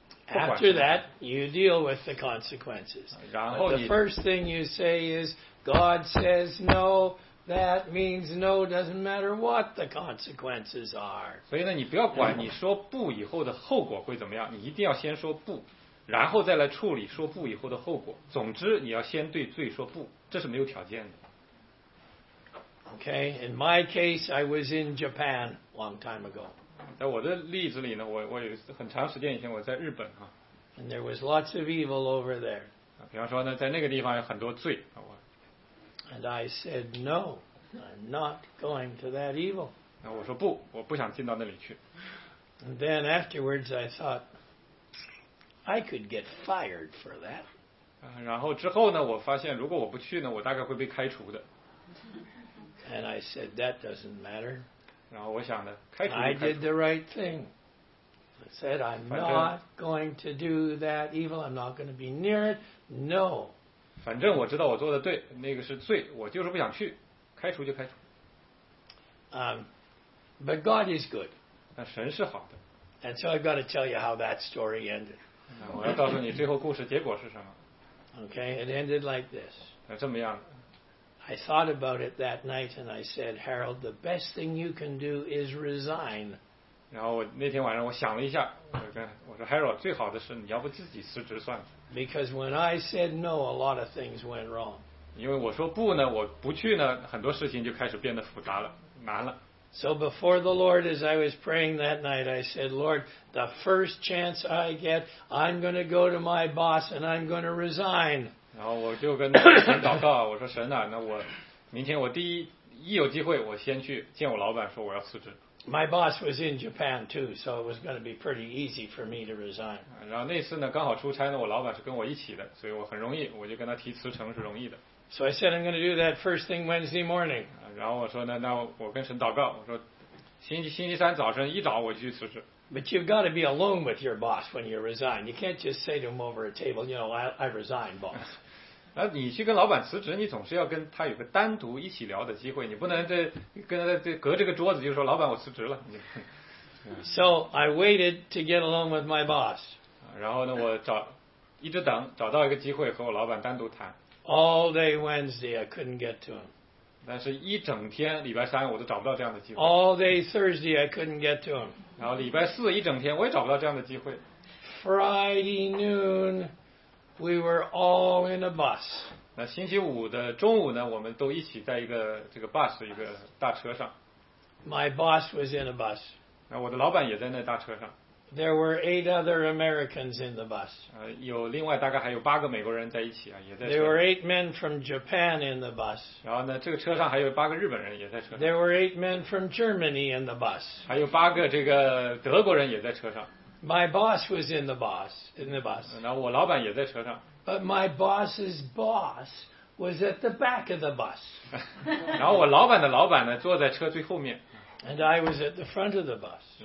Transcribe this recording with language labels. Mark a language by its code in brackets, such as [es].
[en] After that, you deal with the consequences. [zh] 然后你 [en] the first thing you say is, God says no. That means no. Doesn't matter what the consequences are. [zh] 所以呢，你不要管你说不以后的后果会怎么样，你一定要先说不。然后再来处理说不以后的后果。总之，你要先对罪说不，这是没有条件的。 [en] Okay, in my case, I was in Japan long time ago. [zh] 在我的例子里呢，我有很长时间以前我在日本啊。 [en] And there was lots of evil over there. [zh] 比方说呢，在那个地方有很多罪。 [en] And I said no, I'm not going to that evil. [zh] 那我说不，我不想进到那里去。 [en] And then afterwards, I thought. I could get fired for that. [zh] 然后之后呢，我发现如果我不去呢，我大概会被开除的。 [en] And I said that doesn't matter. [zh] 然后我想呢，开除。 [en] I did the right thing. I said I'm not going to do that evil. I'm not going to be near it. No. [zh] 反正我知道我做的对，那个是罪，我就是不想去，开除就开除。 [en] But God is good. [zh] 但神是好的。 [en] And so I've got to tell you how that story ended. [zh] 我要告诉你最后故事结果是什么。 [en] Okay, it ended like this. [zh] 这么样。 [en] I thought about it that night and I said, Harold, the best thing you can do is resign. [zh] 然后我那天晚上我想了一下，我说 Harold, 最好的是你要不自己辞职算了。 [en] Because when I said no, a lot of things went wrong. [zh] 因为我说不呢，我不去呢，很多事情就开始变得复杂了，难了。 [en] So before the Lord, as I was praying that night, I said, Lord, the first chance I get, I'm going to go to my boss and I'm going to resign. [zh] 然后我就跟神祷告，我说神啊，那我明天我第一有机会，我先去见我老板，说我要辞职。 [en] My boss was in Japan too, so it was going to be pretty easy for me to resign. [zh] 然后那次呢，刚好出差呢，我老板是跟我一起的，所以我很容易，我就跟他提辞呈是容易的。 [en] So I said I'm going to do that first thing Wednesday morning. [zh] 然后我说呢，那我跟神祷告，我说星期三早晨一早我就去辞职。 [en] But you've got to be alone with your boss when you resign. You can't just say to him over a table, you know, I resign, boss. [zh] 那你去跟老板辞职，你总是要跟他有个单独一起聊的机会，你不能跟他隔这个桌子就说老板我辞职了。 [en] So I waited to get alone with my boss. [zh] 然后呢，我一直等找到一个机会和我老板单独谈。 [en] All day Wednesday, I couldn't get to him. [zh] 但是一整天礼拜三我都找不到这样的机会。 [en] All day Thursday, I couldn't get to him. [zh] 然后礼拜四一整天我也找不到这样的机会。 [en] Friday noon, we were all in a bus. [zh] 那星期五的中午呢，我们都一起在一个这个 bus 一个大车上。 [en] My boss was in a bus. [zh] 那我的老板也在那大车上。 [en] There were 8 other Americans in the bus. [zh] 有另外大概还有8个美国人在一起啊，也在。 [en] There were 8 men from Japan in the bus. [zh] 然后呢，这个车上还有8个日本人也在车上。 [en] There were 8 men from Germany in the bus. [zh] 还有8个这个德国人也在车上。 [en] My boss was in the bus. [zh] 然后我老板也在车上。 [en] But my boss's boss was at the back of the bus. [zh] 然后我老板的老板呢，坐在车最后面。 [en] And I was at the front of the bus.